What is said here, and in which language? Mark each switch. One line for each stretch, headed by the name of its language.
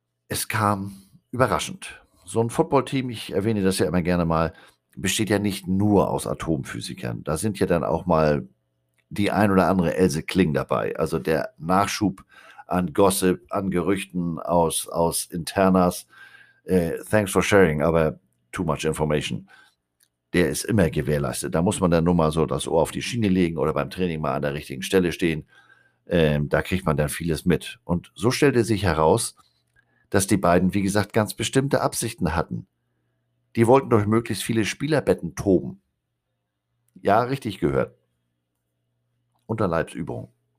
German: Es kam überraschend. So ein Football-Team, ich erwähne das ja immer gerne mal, besteht ja nicht nur aus Atomphysikern. Da sind ja dann auch mal die ein oder andere Else Kling dabei. Also der Nachschub an Gossip, an Gerüchten aus Internas.
English: Thanks for sharing,
German: aber
English: too much information.
German: Der ist immer gewährleistet. Da muss man dann nur mal so das Ohr auf die Schiene legen oder beim Training mal an der richtigen Stelle stehen. Da kriegt man dann vieles mit. Und so stellte sich heraus, dass die beiden, wie gesagt, ganz bestimmte Absichten hatten. Die wollten durch möglichst viele Spielerbetten toben. Ja, richtig gehört. Unterleibsübung.